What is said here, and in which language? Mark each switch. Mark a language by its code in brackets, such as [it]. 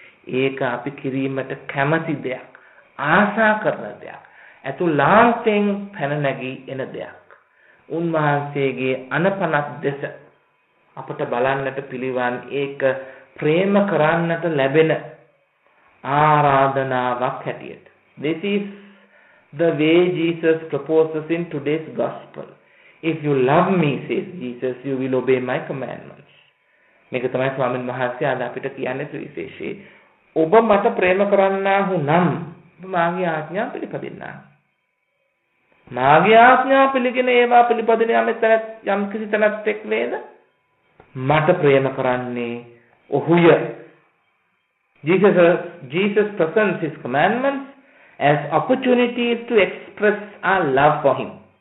[si] ඒක අපි කිරීමට කැමති දෙයක්, ආශා කරන දෙයක්, ඇතුළාන්තෙන් පැන නැගී එන දෙයක්. උන්වහන්සේගේ අනපනත් දෙස අපට බලන්නට පිළිවන් ඒක ප්‍රේම කරන්නට ලැබෙන ආරාධනාවක් හැටියට. [en] This is the way Jesus proposes in today's gospel. If you love me, says Jesus, you will obey my commandments. [si] මේක තමයි ස්වාමීන් වහන්සේ අද අපිට කියන්නේ සුවිශේෂී. ඔබ මට ප්‍රේම කරන්නාහු නම් මාගේ ආඥා පිළිපදින්නා. මාගේ ආඥා පිළිගෙන ඒවා පිළිපදින යම් කිසි තැනක් නේද? මට ප්‍රේම කරන්නේ ඔහුය. [en] Jesus presents his commandments as opportunities to express our love for him.